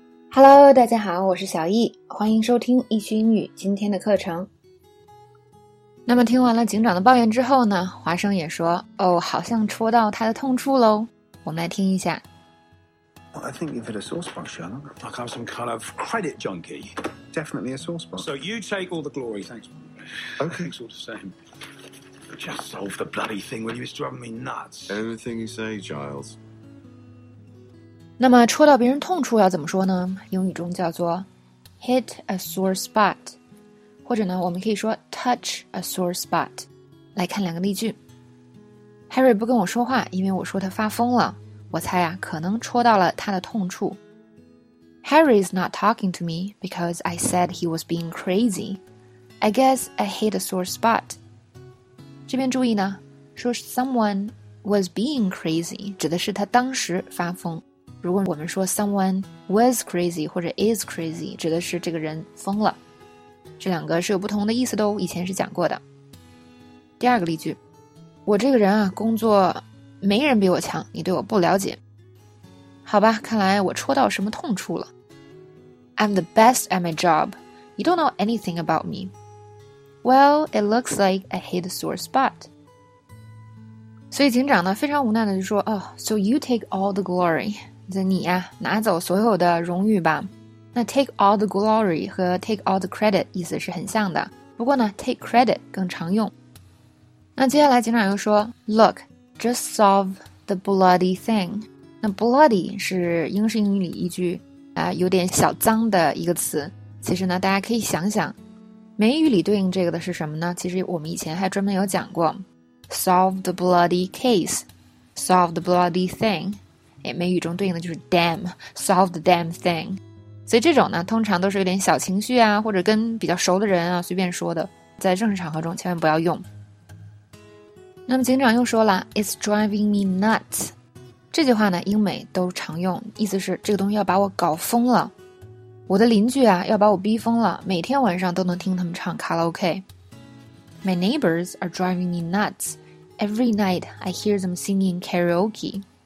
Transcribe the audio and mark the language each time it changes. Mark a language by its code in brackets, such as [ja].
[zh] Hello， 大家好，我是小易，欢迎收听易趣英语今天的课程。那么听完了警长的抱怨之后呢，华生也说，哦，好像戳到他的痛处咯。我们来听一下。 [en] I think you've hit a sore spot, Sherlock. Like I'm some kind of credit junkie. Definitely a sore spot. So you take all the glory, thanks. Okay. Thanks all the same. Just solve the bloody thing, will you? It's driving me nuts. Anything you say, Giles. [zh] 那么戳到别人痛处要怎么说呢？英语中叫做 hit a sore spot， 或者呢，我们可以说 touch a sore spot。来看两个例句 ：Harry 不跟我说话，因为我说他发疯了。我猜啊，可能戳到了他的痛处。 [en] Harry is not talking to me because I said he was being crazy. I guess I hit a sore spot。 [zh] 这边注意呢，说 someone was being crazy 指的是他当时发疯。如果我们说 someone was crazy 或者 is crazy 指的是这个人疯了，这两个是有不同的意思的哦，以前是讲过的。第二个例句，我这个人啊，工作没人比我强，你对我不了解。好吧，看来我戳到什么痛处了。 [en] I'm the best at my job. You don't know anything about me. Well, it looks like I hit a sore spot. [zh] 所以警长呢非常无奈的就说 [en] Oh, so you take all the glory. [zh] 这你呀、啊，拿走所有的荣誉吧。那 take all the glory 和 take all the credit 意思是很像的，不过呢 take credit 更常用。那接下来警长又说 [en] Look, just solve the bloody thing。 [zh] 那 bloody 是英式英语里一句、有点小脏的一个词。其实呢大家可以想想美语里对应这个的是什么呢，其实我们以前还专门有讲过 [en] solve the bloody case, solve the bloody thing， [zh] 美语中对应的就是 [en] damn, solve the damn thing。 [zh] 所以这种呢通常都是有点小情绪啊，或者跟比较熟的人啊随便说的，在正式场合中千万不要用。那么警长又说了 [en] It's driving me nuts。 [zh] 这句话呢英美都常用，意思是这个东西要把我搞疯了，我的邻居啊要把我逼疯了，每天晚上都能听他们唱卡拉 OK。 [en] My neighbors are driving me nuts. Every night I hear them singing karaoke.